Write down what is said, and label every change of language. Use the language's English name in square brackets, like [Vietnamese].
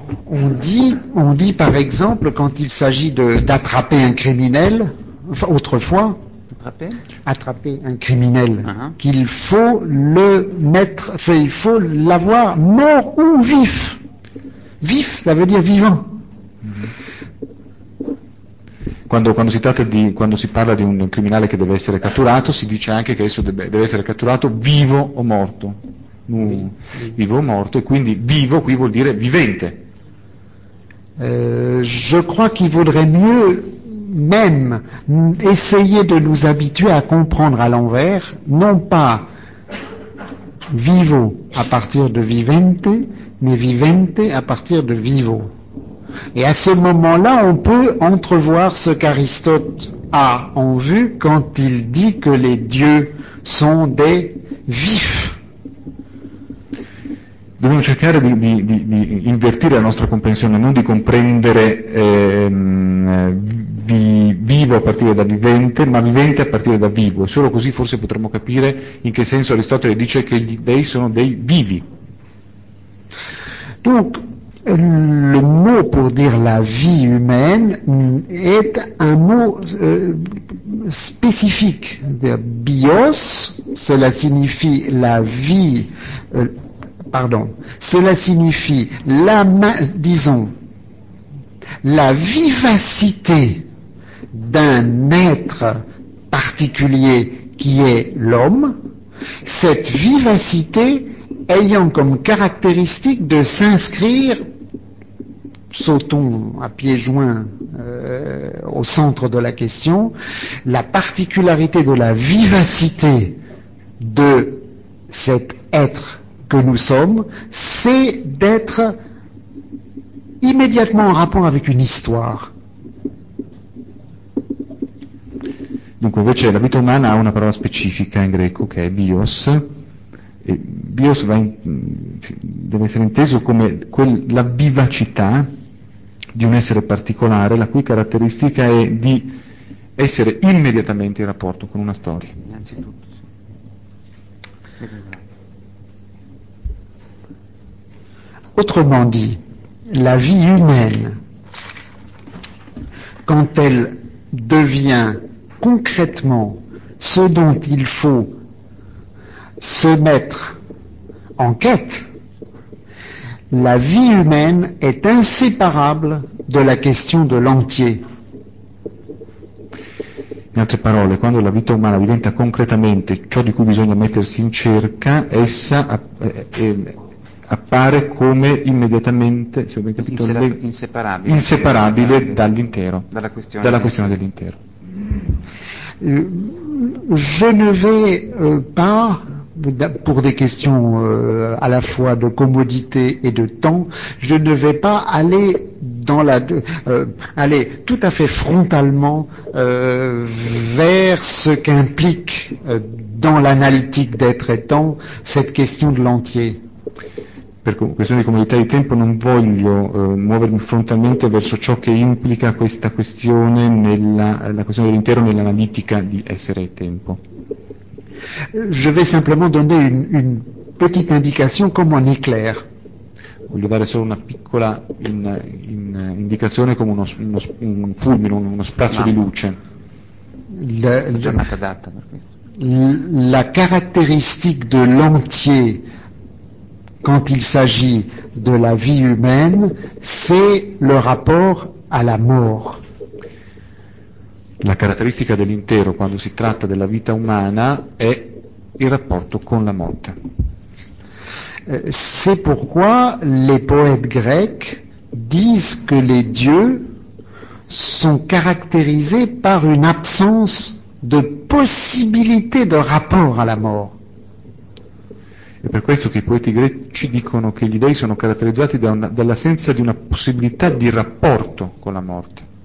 [French] On dit par exemple quand il s'agit d'attraper un criminel, enfin autrefois, attraper un criminel, uh-huh. qu'il faut le mettre, enfin, il faut l'avoir mort ou vif. Vif, ça veut dire vivant. [Italian] Quando si parla di un criminale che deve essere catturato, si dice anche che esso deve essere catturato vivo o morto. Vivo o morto, e quindi vivo qui vuol dire vivente. [French] Je crois qu'il vaudrait mieux même essayer de nous habituer à comprendre à l'envers, non pas vivo à partir de vivente, mais vivente à partir de vivo. Et à ce moment-là, on peut entrevoir ce qu'Aristote a en vue quand il dit que les dieux sont des vifs. [Italian] Dobbiamo cercare di invertire la nostra comprensione, non di comprendere vivo a partire da vivente, ma vivente a partire da vivo. Solo così forse potremmo capire in che senso Aristotele dice che gli dei sono dei vivi. [French] Donc, le mot pour dire la vie humaine est un mot spécifique. Bios, cela signifie la vie. Pardon, cela signifie la vivacité d'un être particulier qui est l'homme, cette vivacité ayant comme caractéristique de s'inscrire, sautons à pieds joints au centre de la question, la particularité de la vivacité de cet être que nous sommes, c'est d'être immédiatement en rapport avec une histoire. [Italian] Donc, invece, la vita umana a una parola specifica in greco che è bios. E bios deve essere inteso come la vivacità di un essere particolare, la cui caratteristica è di essere immediatamente in rapporto con una storia. Innanzitutto. [French] Autrement dit, la vie humaine, quand elle devient concrètement ce dont il faut se mettre en quête, la vie humaine est inséparable de la question de l'entier. [Italian] In altre parole, quando la vita umana diventa concretamente ciò di cui bisogna mettersi in cerca, essa appare come immediatamente, se ho ben capito, inseparabile dall'intero, dalla questione dell'intero. [French] Je ne vais pas, pour des questions à la fois de commodité et de temps, je ne vais pas aller dans aller tout à fait frontalement vers ce qu'implique dans l'analytique d'être et temps cette question de l'entier. [Italian] Per questione di comodità di tempo non voglio muovermi frontalmente verso ciò che implica questa questione la questione dell'intero nell'analitica di essere e tempo. [French] Je vais simplement donner une petite indication comme un éclair. [Italian] Voglio dare solo una piccola indicazione come un fulmine, uno sprazzo di luce. Giornata data per questo. [French] La caratteristique de l'entier quand il s'agit de la vie humaine, c'est le rapport à la mort. [Italian] La caratteristica dell'intero, quando si tratta della vita umana, è il rapporto con la morte. [French] C'est pourquoi les poètes grecs disent que les dieux sont caractérisés par une absence de possibilité de rapport à la mort. [Italian] È per questo che i poeti greci dicono che gli dèi sono caratterizzati dall'assenza di una possibilità di rapporto con la morte.